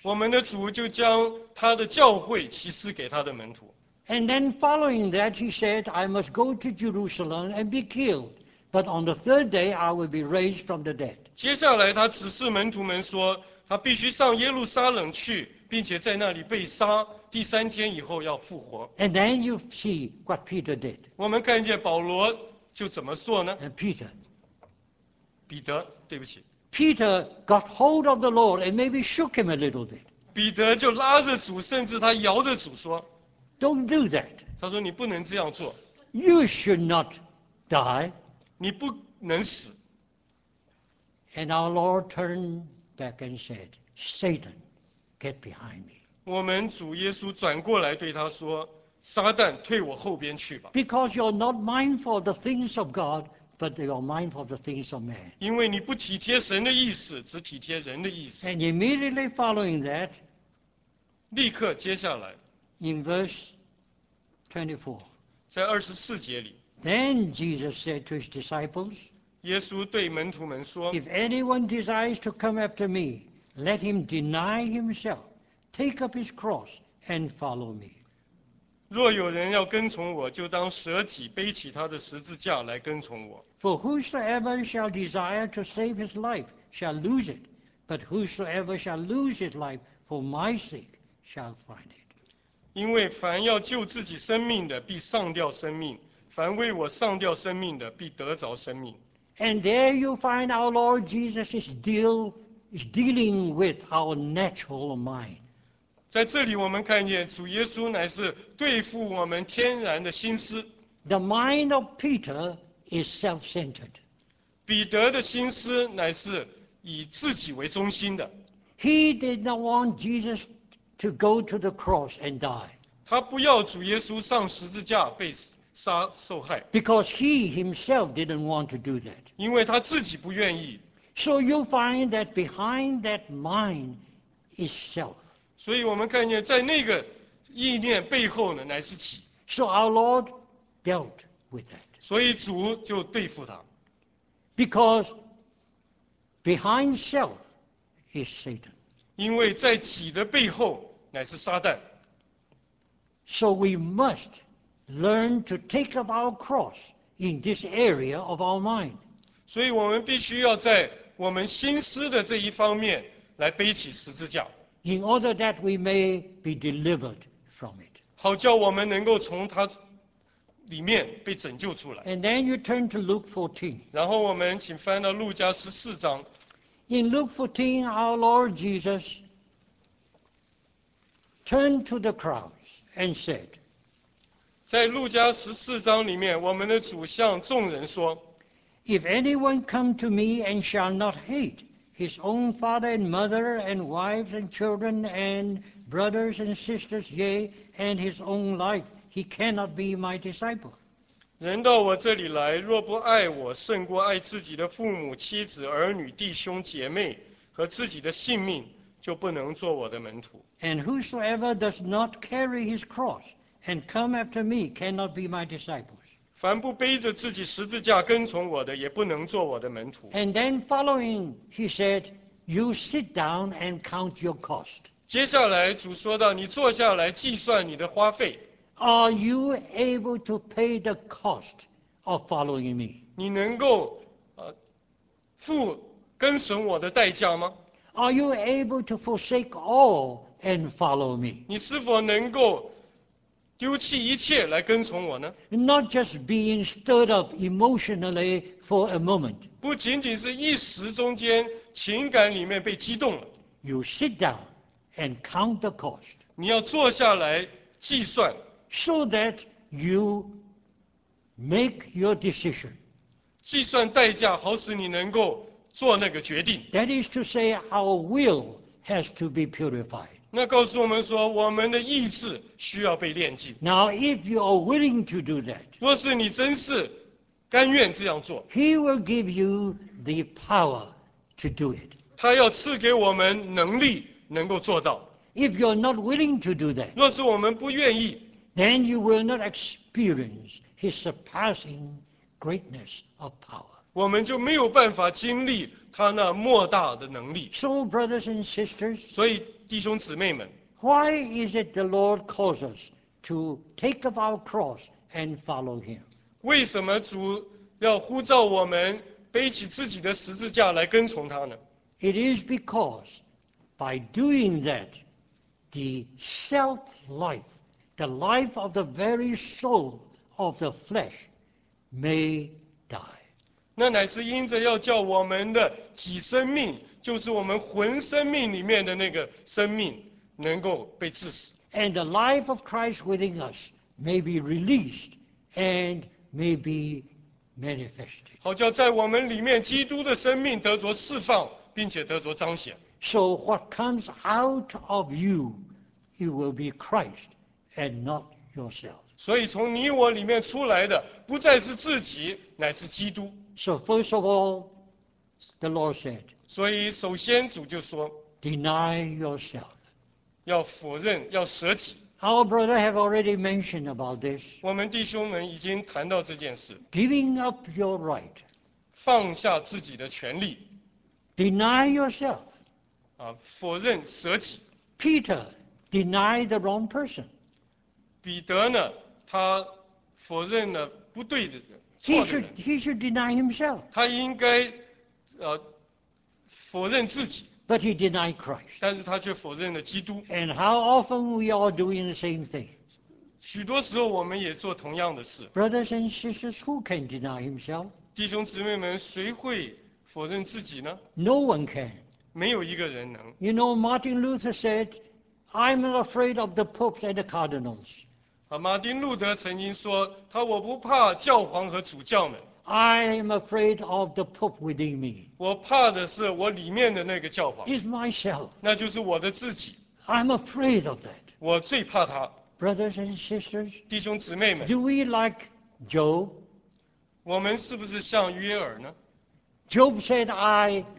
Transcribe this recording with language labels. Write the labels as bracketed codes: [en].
[zh] 我们的主就将他的教会启示给他的门徒。 [en] And then following that, he said, I must go to Jerusalem and be killed. But on the third day, I will be raised from the dead. [zh] 接下来他指示门徒们说，他必须上耶路撒冷去，并且在那里被杀，第三天以后要复活。 [en] And then you see what Peter did. [zh] 我们看见保罗就怎么做呢？ [en] And Peter. [zh] 彼得，对不起。 [en] Peter got hold of the Lord and maybe shook him a little bit. [zh] 彼得就拉着主，甚至他摇着主说， [en] Don't do that. [zh] 他说你不能这样做。 [en] You should not die. [zh] 你不能死。 [en] And our Lord turned back and said, Satan, get behind me. [zh] 我们主耶稣转过来对他说，撒旦退我后边去吧。 [en] Because you're not mindful of the things of God. But they are mindful of the things of man. [zh] 因为你不体贴神的意思，只体贴人的意思。 [en] And immediately following that, [zh] 立刻接下来 [en] in verse 24, [zh] 在二十四节里 [en] then Jesus said to his disciples, [zh] 耶稣对门徒们说 [en] if anyone desires to come after me, let him deny himself, take up his cross and follow me. [zh] 若有人要跟从我，就当舍己，背起他的十字架来跟从我。 [en] For whosoever shall desire to save his life shall lose it, but whosoever shall lose his life for my sake shall find it. [zh] 因为凡要救自己生命的，必丧掉生命；凡为我丧掉生命的，必得着生命。 [en] And there you find our Lord Jesus is dealing with our natural mind. [zh] 在这里我们看见主耶稣乃是对付我们天然的心思。 [en] The mind of Peter is self-centered. [zh] 彼得的心思乃是以自己为中心的。 [en] He did not want Jesus to go to the cross and die. [zh] 他不要主耶稣上十字架被杀受害。 [en] Because he himself didn't want to do that. [zh] 因为他自己不愿意。 [en] So you find that behind that mind is self. [zh] 所以我们看见在那个意念背后呢，乃是己。 [en] So our Lord dealt with that. [zh] 所以主就对付他。 [en] Because behind self is Satan. [zh] 因为在己的背后乃是撒旦。 [en] So we must learn to take up our cross in this area of our mind. [zh] 所以我们必须要在我们心思的这一方面来背起十字架。 [en] In order that we may be delivered from it. [zh] 好叫我们能够从它里面被拯救出来。 [en] And then you turn to Luke 14. [zh] 然后我们请翻到路加十四章。 [en] In Luke 14, our Lord Jesus turned to the crowds and said, [zh] 在路加十四章里面，我们的主向众人说， [en] If anyone come to me and shall not hate,His own father and mother and wives and children and brothers and sisters, yea, and his own life, he cannot be my disciple. [zh] 人到我这里来，若不爱我胜过爱自己的父母、妻子、儿女、弟兄、姐妹和自己的性命，就不能做我的门徒。 [en] And whosoever does not carry his cross and come after me cannot be my disciples. [zh] 凡不背着自己十字架跟从我的，也不能做我的门徒。 [en] And then following, he said, "You sit down and count your cost." [zh] 接下来主说到，你坐下来计算你的花费。 [en] Are you able to pay the cost of following me? [zh] 你能够付跟随我的代价吗？ [en] Are you able to forsake all and follow me? [zh] 你是否能够丢弃一切来跟从我呢？ [en] Not just being stirred up emotionally for a moment. [zh] 不仅仅是一时中间情感里面被激动了。 [en] You sit down and count the cost. [zh] 你要坐下来计算。 [en] So that you make your decision. [zh] 计算代价，好使你能够做那个决定。 [en] That is to say, our will has to be purified. [zh] 那告诉我们说，我们的意志需要被炼净。 [en] Now, if you are willing to do that, [zh] 若是你真是甘愿这样做， [en] He will give you the power to do it. [zh] 他要赐给我们能力，能够做到。 [en] If you are not willing to do that, [zh] 若是我们不愿意。 [en] Then you will not experience his surpassing greatness of power. [zh] 我们就没有办法经历他那莫大的能力。 [en] So, brothers and sisters, [zh] 所以弟兄姊妹们， [en] why is it the Lord calls us to take up our cross and follow him? [zh] 为什么主要呼召我们背起自己的十字架来跟从他呢？ [en] It is because by doing that, the self-life,The life of the very soul of the flesh may die. [zh] 那乃是因着要叫我们的己生命，就是我们魂生命里面的那个生命，能够被致死。 [en] And the life of Christ within us may be released and may be manifested. [zh] 好叫在我们里面基督的生命得着释放，并且得着彰显。 [en] So what comes out of you, it will be Christ. And not yourself. [zh] 所以从你我里面出来的不再是自己，乃是基督。 [en] So first of all, the Lord said. [zh] 所以首先主就说 [en] ，Deny yourself. [zh] 要否认，要舍己。 [en] Our brother have already mentioned about this. [zh] 我们弟兄们已经谈到这件事。 [en] Giving up your right. [zh] 放下自己的权利。 [en] Deny yourself. [zh] 啊，否认，舍己。 [en] Peter denied the wrong person. [zh] 彼得呢，他否认了不对的人，错的人。 [en] He should deny himself. [zh] 他应该，否认自己。 [en] But he denied Christ. [zh] 但是他却否认了基督。 [en] And how often we are doing the same thing? [zh] 许多时候我们也做同样的事。 [en] Brothers and sisters, who can deny himself? [zh] 弟兄姊妹们，谁会否认自己呢？ [en] No one can. [zh] 没有一个人能。 [en] You know, Martin Luther said, "I'm not afraid of the popes and the cardinals." [zh] 马丁路德曾经说，他我不怕教皇和主教们。 [en] I am afraid of the Pope within me. [zh] 我怕的是我里面的那个教皇。 [en] Is myself. [zh] 那就是我的自己。 [en] I'm afraid of that. [zh] 我最怕他。 [en] Brothers and sisters. [zh] 弟兄姊妹们。 [en] Do we like Job? [zh] 我们是不是像约珥呢？ [en] Job said, I